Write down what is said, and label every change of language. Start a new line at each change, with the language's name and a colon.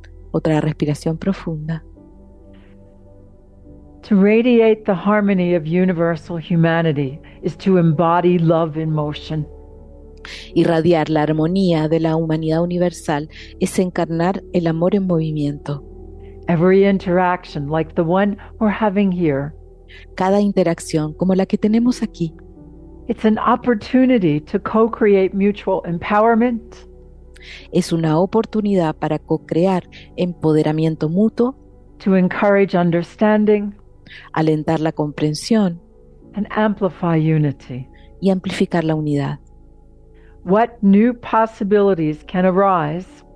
Spanish: Otra respiración profunda.
English: To radiate the harmony of universal humanity is to embody love in motion.
Spanish: Irradiar la armonía de la humanidad universal es encarnar el amor en movimiento.
English: Every interaction, like the one we're having here.
Spanish: Cada interacción como la que tenemos aquí.
English: It's an opportunity to co-create mutual empowerment.
Spanish: Es una oportunidad para co-crear empoderamiento mutuo.
English: To encourage understanding.
Spanish: Alentar la comprensión.
English: And amplify unity.
Spanish: Y amplificar la unidad.
English: What new possibilities can arise?